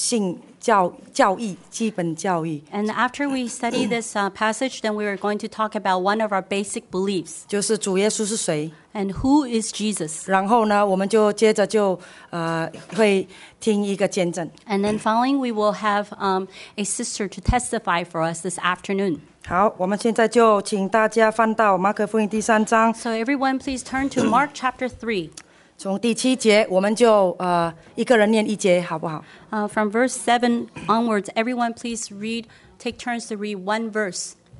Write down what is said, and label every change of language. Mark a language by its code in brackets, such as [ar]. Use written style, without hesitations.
[zh] 然后学习完这段以后我们就查考我们其中一个基本教义。 [en] And after we study this passage, then we are going to talk about one of our basic beliefs. [zh] 就是主耶稣是谁。 [en] And who is Jesus? [zh] 然后呢，我们就接着就会听一个见证。 [en] And then finally, we will have a sister to testify for us this afternoon. [zh] 好，我们现在就请大家翻到马可福音第三章。 [en] So everyone, please turn to Mark chapter 3. [zh] 从第七节，我们就一个人念一节，好不好？ [en] From verse 7 onwards, everyone, please read. Take turns to read one verse.